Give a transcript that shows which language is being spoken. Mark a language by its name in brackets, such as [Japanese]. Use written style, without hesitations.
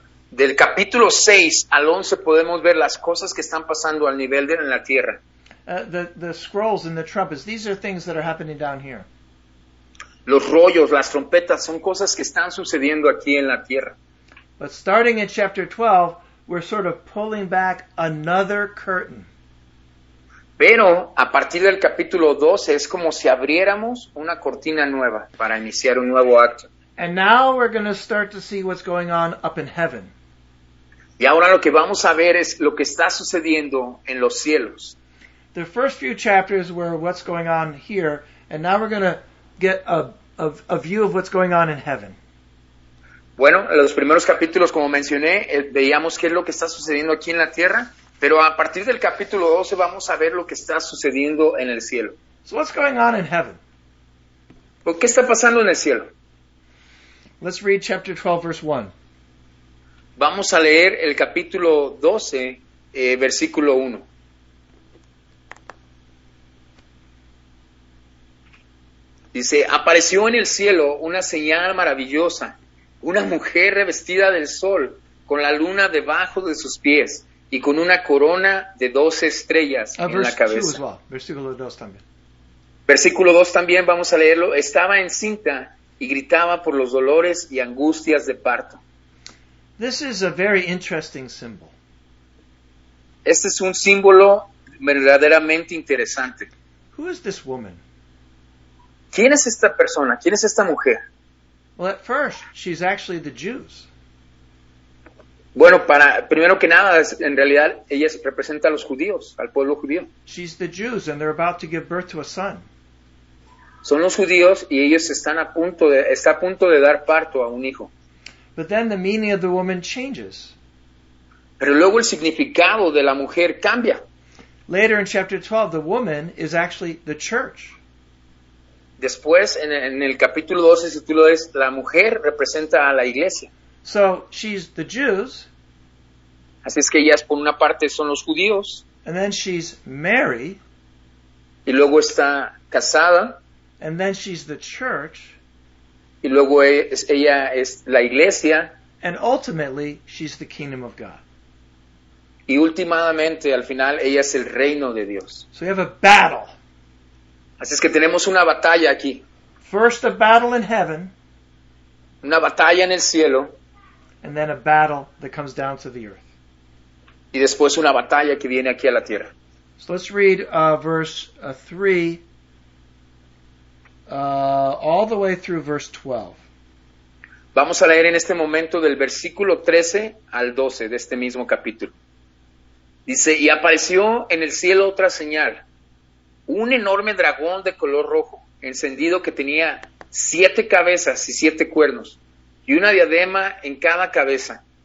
[Spanish] Del capítulo 6 al 11 podemos ver las cosas que están pasando al nivel de la tierra. [English] The scrolls and the trumpets, these are things that are happening down here. [Spanish] Los rollos, las trompetas, son cosas que están sucediendo aquí en la tierra. [English] But starting in chapter 12, we're sort of pulling back another curtain. [Spanish] Pero a partir del capítulo 12 es como si abriéramos una cortina nueva para iniciar un nuevo acto. [English] And now we're going to start to see what's going on up in heaven. [Spanish] Y ahora lo que vamos a ver es lo que está sucediendo en los cielos. [English] The first few chapters were what's going on here, and now we're going to get a view of what's going on in heaven. [Spanish] Bueno, los primeros capítulos, como mencioné, veíamos qué es lo que está sucediendo aquí en la tierra, pero a partir del capítulo 12 vamos a ver lo que está sucediendo en el cielo. [English] So what's going on in heaven? [Spanish] ¿Qué está pasando en el cielo? [English] Let's read chapter 12, verse 1. [Spanish] Vamos a leer el capítulo 12, versículo 1. Dice, apareció en el cielo una señal maravillosa, una mujer revestida del sol, con la luna debajo de sus pies, y con una corona de 12 estrellas en la cabeza. [English] Verse 2 as well. [Spanish] Versículo 2 también. Versículo 2 también, vamos a leerlo. Estaba encinta y gritaba por los dolores y angustias de parto. [English] This is a very interesting symbol. [Spanish] Este es un símbolo verdaderamente interesante. [English] Who is this woman? [Spanish] ¿Quién es esta persona? ¿Quién es esta mujer? [English] Well, at first, she's actually the Jews. [Spanish] Bueno, primero que nada, en realidad, ella representa a los judíos, al pueblo judío. [English] She's the Jews, and they're about to give birth to a son. [Spanish] Son los judíos, y ellos está a punto de dar parto a un hijo. [English] But then the meaning of the woman changes. [Spanish] Pero luego el significado de la mujer cambia. [English] Later in chapter 12, the woman is actually the church. [Spanish] Después, en el capítulo 12, si tú lo ves, la mujer representa a la iglesia. [English] So, she's the Jews. [Spanish] Así es que ellas, por una parte, son los judíos. [English] And then she's Mary. [Spanish] Y luego está casada. [English] And then she's the church. [Spanish] Y luego ella es la iglesia. [English] And ultimately, she's the kingdom of God. [Spanish] Y últimamente, al final, ella es el reino de Dios. [English] So, we have a battle. [Spanish] Así es que tenemos una batalla aquí. [English] First a battle in heaven. [Spanish] Una batalla en el cielo. [English] And then a battle that comes down to the earth. [Spanish] Y después una batalla que viene aquí a la tierra. [English] So let's read verse 3 all the way through verse 12. [Spanish] Vamos a leer en este momento del versículo 13 al 12 de este mismo capítulo. Dice, y apareció en el cielo otra señal. Un enorme dragón de color rojo, encendido, que tenía 7 cabezas y 7 cuernos, y una diadema en cada cabeza.